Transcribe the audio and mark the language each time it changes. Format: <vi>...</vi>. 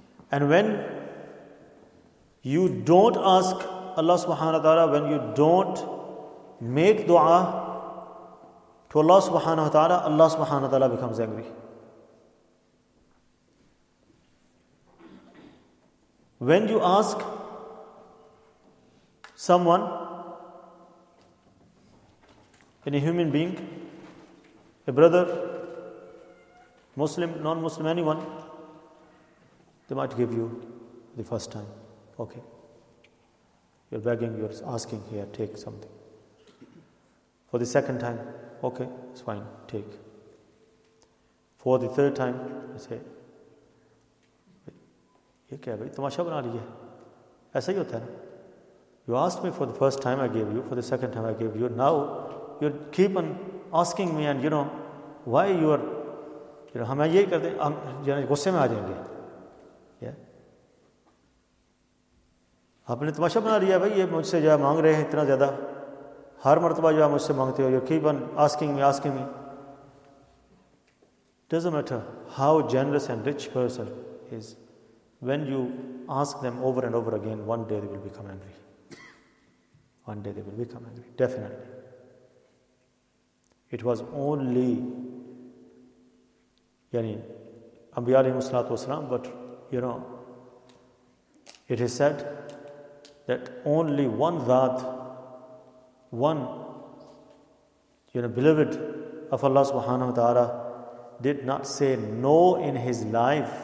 <en>And when you don't ask Allah سبحانہ تعالیٰ، when you don't make دعا to Allah سبحانہ تعالیٰ، اللہ سبحانہ تعالیٰ becomes angry. When you ask someone in a human being, a brother, Muslim, non-Muslim, anyone, they might give you the first time, okay, you're begging, you're asking, here, take something. For the second time, okay, it's fine, take. For the third time, they say,</en> <ur>ye kya bhai tamasha bana liya hai, aisa hi hota hai na.</ur> <en>You asked me for the first time, I gave you. For the second time, I gave you. Now, you keep on asking me, and you know, why you are, you know,</en> <ur>ہمیں یہی کرتے ہیں، ہم جو ہے غصے میں آ جائیں گے. آپ نے تماشا بنا لیا بھائی، یہ مجھ سے جو ہے مانگ رہے ہیں اتنا زیادہ، ہر مرتبہ جو ہے مجھ سے مانگتے ہو،</ur> <en>you keep on asking me</en> <ur>asking me.</ur> <en>Doesn't matter how generous and rich person is, When you ask them over and over again, one day they will become angry. One day they will become angry, definitely. It was only, yani, Anbiya alayhimus salatu wasalam, but you know, it is said that only one dhat, one, you know, beloved of Allah subhanahu wa ta'ala, did not say no in his life.</en>